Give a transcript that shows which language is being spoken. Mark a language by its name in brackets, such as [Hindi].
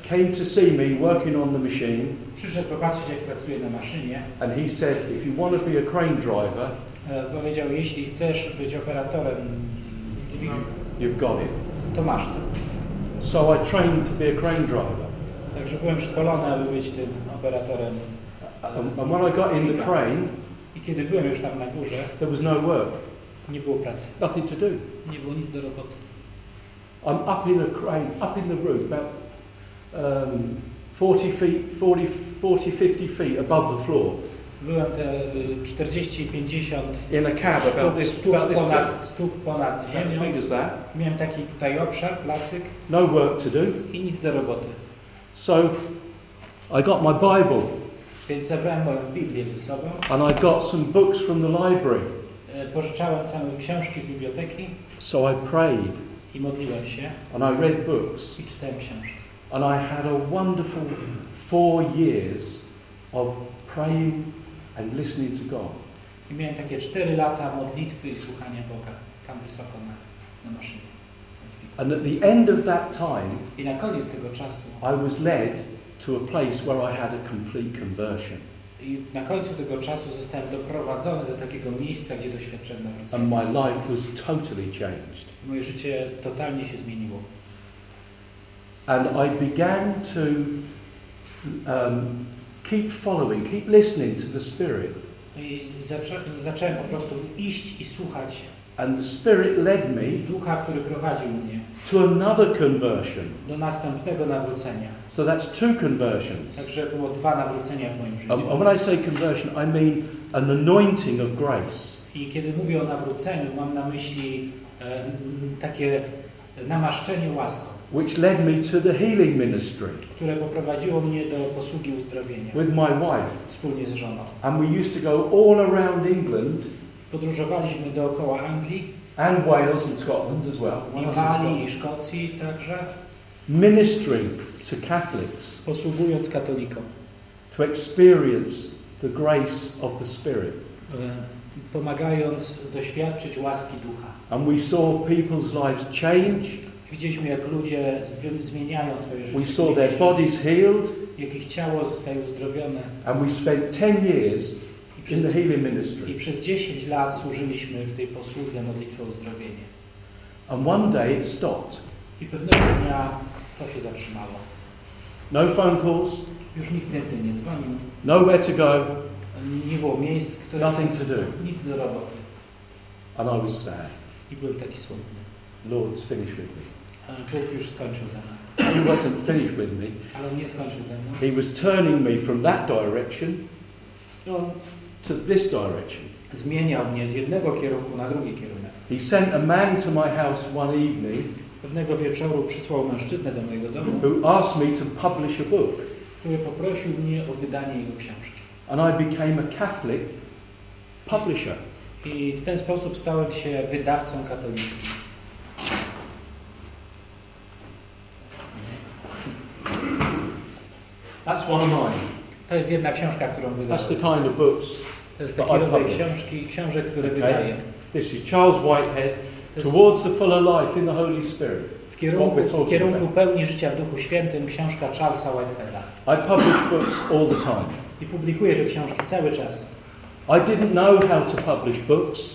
[English] came to see me working on the machine. [Polish] Przyszedł zobaczyć, jak pracuję na maszynie. [English] And he said, if you want to be a crane driver, [Polish] powiedział, jeśli chcesz być operatorem dźwigni, [English] you've got it. [Polish] To masz to. [English] So I trained to be a crane driver. [Polish] Także byłem szkolony, aby być tym operatorem. [English] And when I got in the crane, [Polish] i kiedy byłem już tam na górze, [English] there was no work. [Polish] Nie było pracy. [English] Nothing to do. [Polish] Nie było nic do roboty. [English] I'm up in a crane, up in the roof, about 40, 50 feet above the floor. [Polish] Byłem te 40-50. [English] In a cab, about this [Polish] ponad ziemią. [English] How big is that? [Polish] Miałem taki tutaj obszar, placyk. [English] No work to do. [Polish] I nic do roboty. [English] So, I got my Bible. [Polish] Więc zabrałem moją Biblię ze sobą. [English] And I got some books from the library. [Polish] Pożyczałem same książki z biblioteki. [English] So I prayed. [Polish] I modliłem się. [English] And I read books. [Polish] I czytałem książki. [English] And I had a wonderful 4 years of praying and listening to God. [Polish] I miałem takie 4 lata modlitwy i słuchania Boga tam wysoko na maszynie. [English] And at the end of that time, [Polish] i na koniec tego czasu, [English] I was led to a place where I had a complete conversion. [Polish] I na końcu tego czasu zostałem doprowadzony do takiego miejsca, gdzie doświadczyłem nawrócenia. [English] And my life was totally changed. [Polish] Moje życie totalnie się zmieniło. [English] And I began to keep following, keep listening to the Spirit. [Polish] I zacząłem po prostu iść i słuchać. [English] And the Spirit led me, [Polish] Ducha, który prowadził mnie, [English] to another conversion. [Polish] Do następnego nawrócenia. [English] So that's 2 conversions. [Polish] Także było 2 nawrócenia w moim życiu. [English] And when I say conversion, I mean an anointing of grace. [Polish] I kiedy mówię o nawróceniu, mam na myśli takie namaszczenie łaską, [English] which led me to the healing ministry, [Polish] które poprowadziło mnie do posługi uzdrowienia, [English] with my wife, [Polish] wspólnie z żoną. [English] And we used to go all around England, [Polish] podróżowaliśmy dookoła Anglii, [English] and Wales and Scotland as well, [Polish] i Walii i Szkocji także, [English] ministering to Catholics, [Polish] posługując katolikom, [English] to experience the grace of the Spirit, [Polish] pomagając doświadczyć łaski Ducha. [English] And we saw people's lives change. [Polish] I Widzieliśmy, jak ludzie zmieniają swoje życie. [English] We saw their bodies healed. [Polish] Jak ich ciało zostaje uzdrowione. [English] And we spent 10 years in the healing ministry. [Polish] I przez 10 lat służyliśmy w tej posłudze modlitwy o uzdrowienie. [English] And one day it stopped. [Polish] I pewnego dnia to się zatrzymało. [English] No phone calls. [Polish] Już nikt więcej nie dzwonił. [English] Nowhere to go. [Polish] Nie było miejsc, które [English] nothing to do. [Polish] Nic do roboty. [English] And I was sad. [Polish] I byłem taki smutny. [English] Lord, finish with me. [Polish] Bóg już skończył ze mną. [English] He wasn't finished with me. [Polish] Ale on nie skończył ze mną. [English] He was turning me from that direction to this direction. [Polish] Zmieniał mnie z jednego kierunku na drugi kierunek. [English] He sent a man to my house one evening. [Polish] Pewnego wieczoru przysłał mężczyznę do mojego domu. [English] Who asked me to publish a book. [Polish] Który poprosił mnie o wydanie jego książki. [English] And I became a Catholic publisher. [Polish] I w ten sposób stałem się wydawcą katolickim. [English] That's one of mine. [Polish] To jest jedna książka, którą wydaję. [English] That's the kind of books. [Polish] To jest taki rodzaj książki, książek, które wydaję. [English] This is Charles Whitehead. Towards the fuller life in the Holy Spirit. [Polish] W kierunku pełni życia w Duchu Świętym, książka Charlesa Whiteheada. [English] I publish books all the time. [Polish] I publikuję te książki cały czas. [English] I didn't know how to publish books.